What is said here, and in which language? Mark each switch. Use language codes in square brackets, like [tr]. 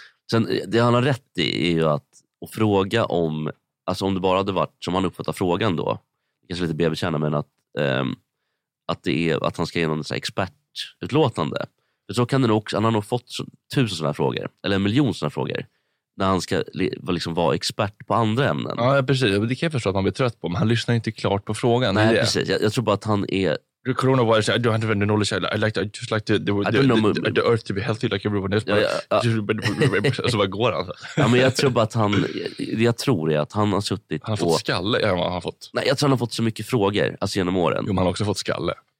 [sv] Sen, det han har rätt i är ju att fråga om, alltså om det bara hade varit som han uppfattar frågan då, kanske lite bebe känna, men att det är att han ska ge någon så här expertutlåtande. För så kan det också, han har nog fått 1000 sådana här frågor, eller 1 miljon sådana här frågor, när han ska liksom vara expert på andra ämnen. Ja, precis. Det kan jag förstå att man blir trött på, men han lyssnar inte klart på frågan. Nej, det? Precis. Jag tror bara att han är... [en] The coronavirus, I don't have any knowledge. I just like the earth to be healthy like everyone else. [sv] Så vad går han? Ja, men jag tror bara att han... Jag tror att han har suttit på... Han har fått skalle. Nej, jag tror han har fått så mycket frågor alltså genom åren. Jo, men han har också fått skalle.